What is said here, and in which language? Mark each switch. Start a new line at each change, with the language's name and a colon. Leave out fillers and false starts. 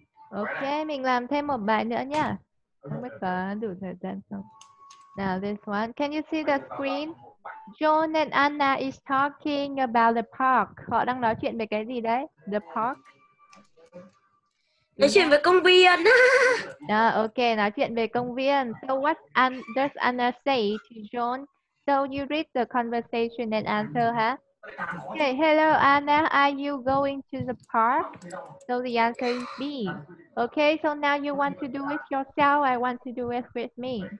Vietnamese: Okay, mình làm thêm một bài nữa nha. Không biết có đủ thời gian không.
English: Now this one. Can you see the screen? John and Anna is talking about the park.
Vietnamese: Họ đang nói chuyện về cái gì đấy?
English: The park?
Vietnamese: Nói chuyện về công viên. No, okay, nói chuyện về công viên.
English: So what does Anna say to John? So you read the conversation and answer, huh? Okay, hello Anna, are you going to the park? So the answer is B. Okay, so now you want to do it yourself, I want to do it with me.